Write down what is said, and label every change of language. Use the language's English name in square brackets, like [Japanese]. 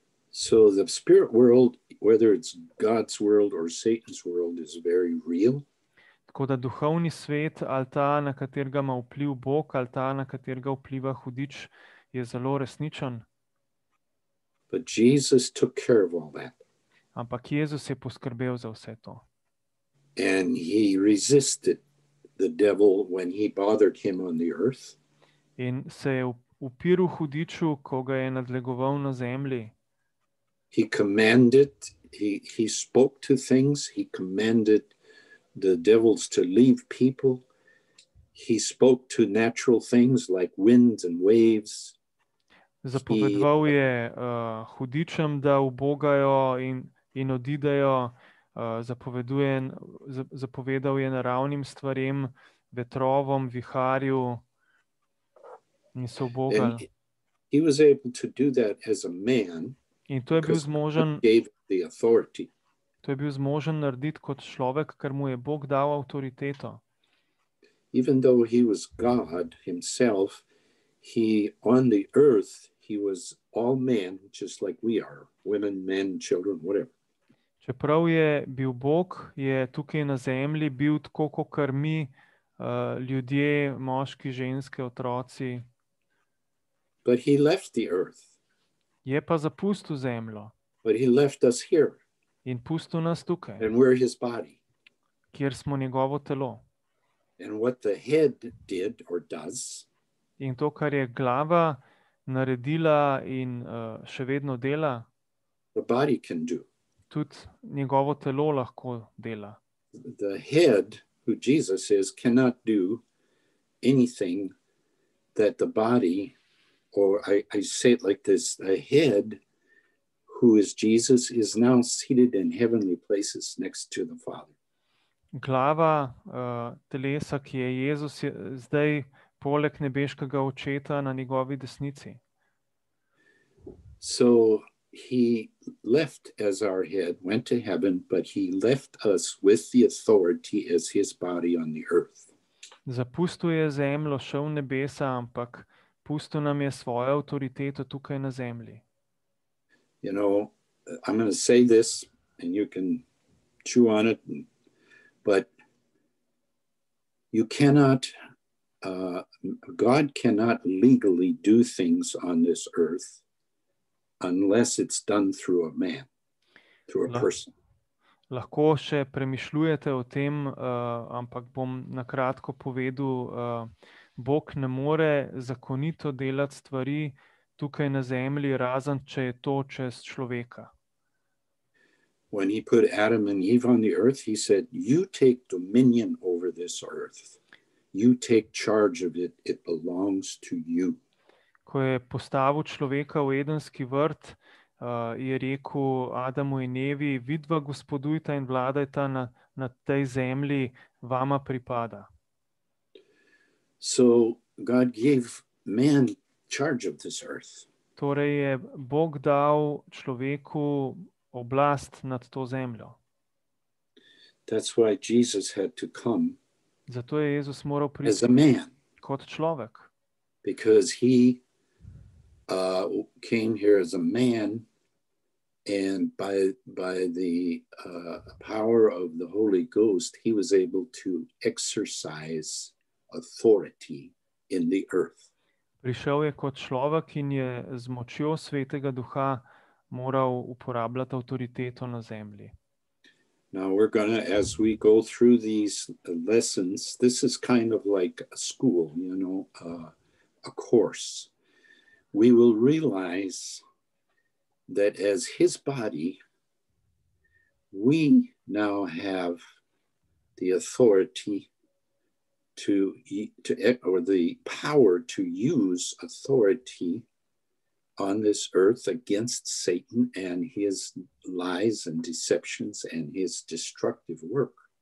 [English] So the spirit world, whether it's God's world or Satan's world, is very real. [Slovenian] Tako da duhovni svet, ali ta, na katerega ima vpliv Bog, ali ta, na katerega vpliva hudič, je zelo resničen. [English] But Jesus took care of all that. [Slovenian] Ampak Jezus je poskrbel za vse to. [English] And he resisted the devil when he bothered him on the earth. [Slovenian] In se je upiril hudiču, ko ga je nadlegoval na zemlji. [English] He commanded, he spoke to things, he commanded the devils to leave people. He spoke to natural things like winds and waves. [Slovenian] Zapovedoval je hudičem, da ubogajo in odidejo, zapovedal je naravnim stvarem, vetrovom, viharju. In so ubogali. [English] And he was able to do that as a man. [Slovenian] In to je bil zmožen, [English] gave the authority. [Slovenian] To je bil zmožen narediti kot človek, ker mu je Bog dal avtoriteto. [English] Even though he was God himself, he on the earth, he was all man, just like we are, women, men, children, whatever. [Slovenian] Čeprav je bil Bog, je tukaj na zemlji bil tako, kot kar mi, ljudje, moški, ženske, otroci. [English] But he left the earth. [Slovenian] Je pa zapustil zemljo. [English] But he left us here. [Slovenian] In pustil nas tukaj. [English] And we're his body. [Slovenian] Kjer smo njegovo telo. [English] And what the head did or does. [Slovenian] In to, kar je glava naredila in še vedno dela. [English] The body can do. [Slovenian] Tudi njegovo telo lahko dela. [English] The head, who Jesus is, cannot do anything that the body. Or I say it like this, a head who is Jesus is now seated in heavenly places next to the Father. [Slovenian] Glava telesa, ki je Jezus, je zdaj poleg nebeškega očeta na njegovi desnici. [English] So he left as our head, went to heaven, but he left us with the authority as his body on the earth. [Slovenian] zapustil je zemljo, šel v nebesa, ampak pustil nam je svojo avtoriteto tukaj na zemlji. [English] You know, I'm going to say this and you can chew on it, but you cannot, God cannot legally do things on this earth unless it's done through a man, through a person. [Slovenian] Lahko še premišljujete o tem, ampak bom na kratko povedal, Bog ne more zakonito delati stvari tukaj na zemlji, razen če je to čez človeka. [English] When he put Adam and Eve on the earth, he said, you take dominion over this earth. You take charge of it. It belongs to you. [Slovenian] Ko je postavil človeka v Edenski vrt, je rekel Adamu in Evi, vidva gospodujta in vladajta na tej zemlji, vama pripada. [English] So God gave man charge of this earth. [Slovenian] Torej je Bog dal človeku oblast nad to zemljo. [English] That's why Jesus had to come. [Slovenian] Zato je Jezus moral priti [English] as a man. [Slovenian] Kot človek. [English] Because he came here as a man and by the power of the Holy Ghost he was able to exercise authority in the earth. [Slovenian] Prišel je kot človek in je z močjo Svetega Duha moral uporabljati avtoriteto na zemlji. [English] Now we're going to, as we go through these lessons, this is kind of like a school, you know, a course. We will realize that as his body, we now have the authority or the power to use authority on this earth against Satan and his lies and deceptions and his destructive work.